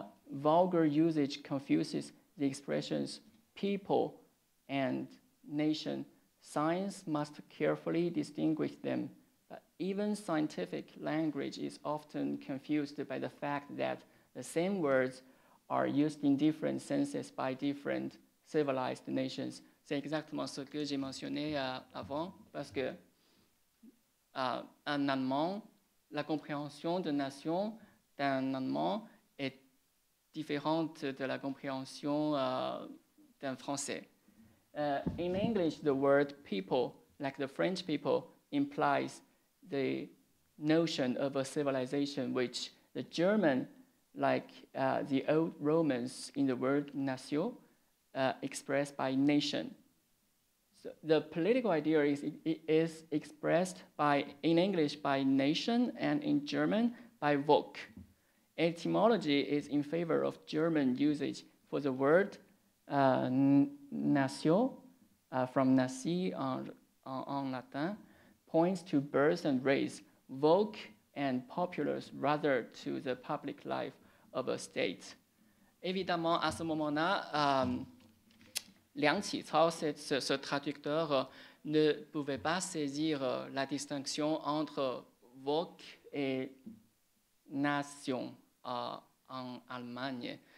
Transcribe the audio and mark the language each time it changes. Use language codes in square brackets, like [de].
[en] Vulgar usage confuses the expressions people and nation. Science must carefully distinguish them. Even scientific language is often confused by the fact that the same words are used in different senses by different civilized nations. [fr] C'est exactement ce que j'ai mentionné avant, parce que en allemand, la compréhension de nation d'un allemand est différente de la compréhension d'un français. [en] In English, the word people, like the French people, implies the notion of a civilization which the German, like the old Romans in the word nation, expressed by nation. So the political idea is expressed by in English by nation and in German by Volk. Etymology is in favor of German usage for the word nation, from nasi en Latin, points to birth and race, Volk and populace rather to the public life of a state. [fr] Évidemment, à ce moment-là, Liang Qichao, ce traducteur, ne pouvait pas saisir la distinction entre Volk et nation en Allemagne.